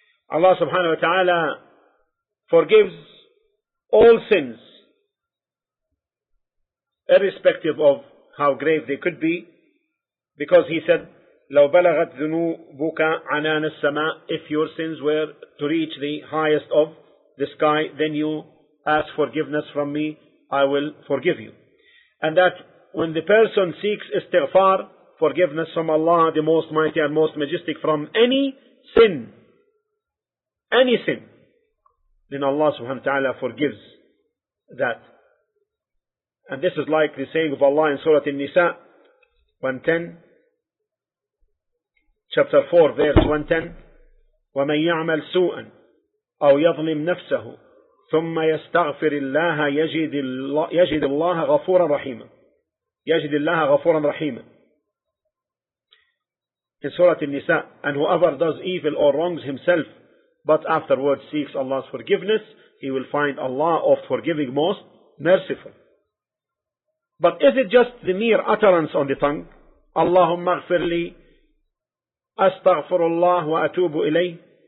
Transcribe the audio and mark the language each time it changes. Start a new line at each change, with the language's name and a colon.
English: Allah subhanahu wa ta'ala forgives all sins, irrespective of how grave they could be, because he said,
Arabic: لَوْ بَلَغَتْ ذُنُوبُكَ عَنَانَ السَّمَاءِ,
English: if your sins were to reach the highest of the sky, then you ask forgiveness from me, I will forgive you. And that when the person seeks istighfar, forgiveness from Allah, the Most Mighty and Most Majestic, from any sin, then Allah subhanahu wa ta'ala forgives that. And this is like the saying of Allah in Surah An-Nisa 110, chapter 4, verse 110,
Arabic: وَمَنْ يَعْمَلْ سُوءًا أَوْ يَظْلِمْ نَفْسَهُ ثُمَّ يَسْتَغْفِرِ اللَّهَ يَجِدِ اللَّهَ غَفُورًا رَحِيمًا يَجِدِ اللَّهَ غَفُورًا رَحِيمًا.
English: In Surah An-Nisa, and whoever does evil or wrongs himself, but afterwards seeks Allah's forgiveness, he will find Allah oft forgiving, most merciful. But is it just the mere utterance on the tongue?
Arabic: Allahumma ghfirli, astaghfirullah wa atubu ilayh.